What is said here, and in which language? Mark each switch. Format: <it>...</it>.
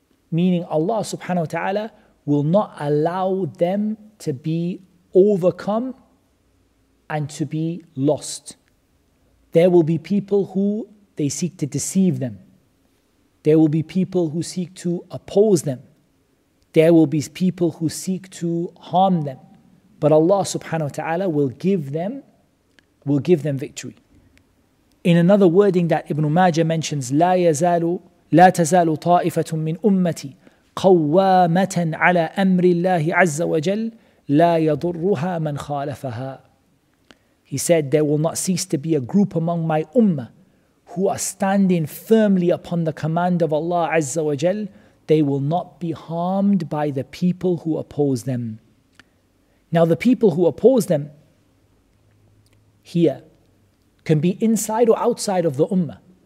<en>Meaning Allah subhanahu wa ta'ala will not allow them to be overcome and to be lost. There will be people who they seek to deceive them. There will be people who seek to oppose them. There will be people who seek to harm them. But Allah subhanahu wa ta'ala will give them victory. In another wording that Ibn Majah mentions,</en> <ar>لا يزال لا تزال طائفة من أمتي قوامة على أمر الله عز وجل لا يضرها من خالفها.</ar> <en>He said, there will not cease to be a group among my ummah who are standing firmly upon the command of Allah Azza wa Jal. They will not be harmed by the people who oppose them. Now the people who oppose them here can be inside or outside of the ummah.</en>